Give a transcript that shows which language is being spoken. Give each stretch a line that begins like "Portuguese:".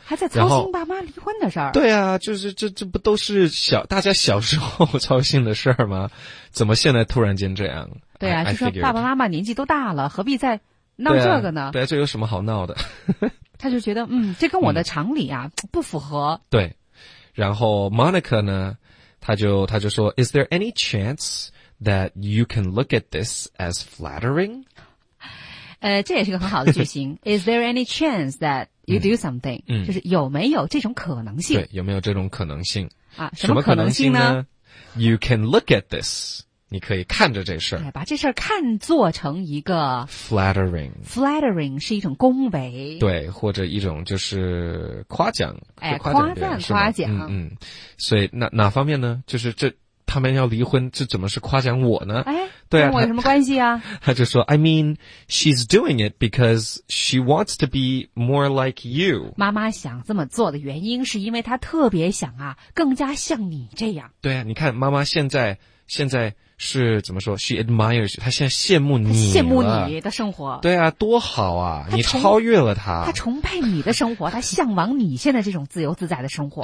Chinese: 还在操心爸妈离婚的事儿。对啊，就是这不都是大家小时候操心的事儿吗？怎么现在突然间这样？对啊，
English: I figured.
Chinese: 就说爸爸妈妈年纪都大了，何必再闹这个呢？对啊，这有什么好闹的？他就觉得，嗯，这跟我的常理啊，嗯，不符合。对，然后 Monica 呢，他就说 ，
English: Is there any chance that you can look at this as flattering？
Chinese: 这也是个很好的句型。
English: Is there any chance that you do something？嗯，嗯，
Chinese: 就是有没有这种可能性？对，有没有这种可能性啊？什么可能性呢
English: ？You can look at this。
Chinese: 你可以看着这事儿，把这事儿看作成一个
English: flattering。
Chinese: flattering 是一种恭维，对，或者一种就是夸奖，哎，夸奖。嗯，嗯，所以哪方面呢？就是这他们要离婚，这怎么是夸奖我呢？哎，对啊，跟我有什么关系啊？
English: 他就说 ，I mean, she's doing it because she wants to be more like you。
Chinese: 妈妈想这么做的原因，是因为她特别想啊，更加像你这样。对啊，你看妈妈现在。是怎么说 ？
English: She admires，
Chinese: 她现在羡慕你了，羡慕你的生活。对啊，多好啊！你超越了她，她崇拜你的生活，她向往你现在这种自由自在的生活。